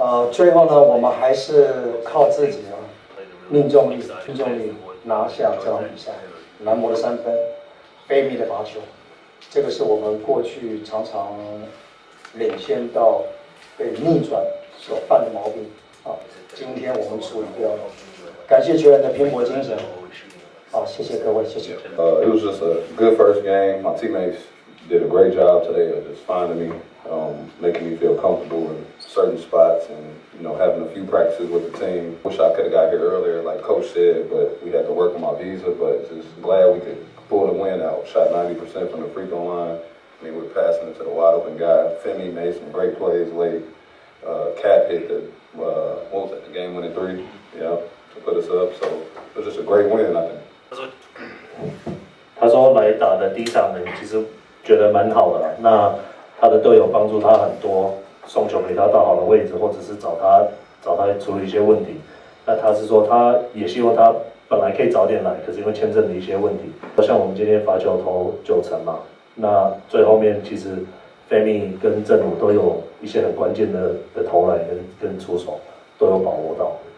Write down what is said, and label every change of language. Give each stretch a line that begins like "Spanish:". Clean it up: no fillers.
Chinese: 最后呢，我们还是靠自己啊，命中力拿下这场比赛，蓝魔的三分，贝米的罚球，这个是我们过去常常领先到被逆转所犯的毛病啊，今天我们处理掉了。感谢球员的拼搏精神，好，谢谢各位，谢谢。
English: It was just a good first game. My teammates did a great job today of just finding me, making me feel comfortable in certain spots, and you know, having a few practices with the team. Wish I could have got here earlier, like Coach said, but we had to work on my visa. But just glad we could pull the win out. Shot 90% from the free throw line. I mean, we're passing it to the wide open guy. Femi made some great plays late. Cat hit the, what was that, the game winning three, yeah, to put us up, so it was just a great win, I think.
Chinese: 他说来打的第三名其实觉得蛮好的，那他的队友帮助他很多，送球给他到好的位置，或者是找他处理一些问题。那他是说他也希望他本来可以早点来，可是因为签证的一些问题，像我们今天罚球投九成嘛，那最后面其实Femi 跟郑武都有一些很关键 的投篮 跟出手都有把握到。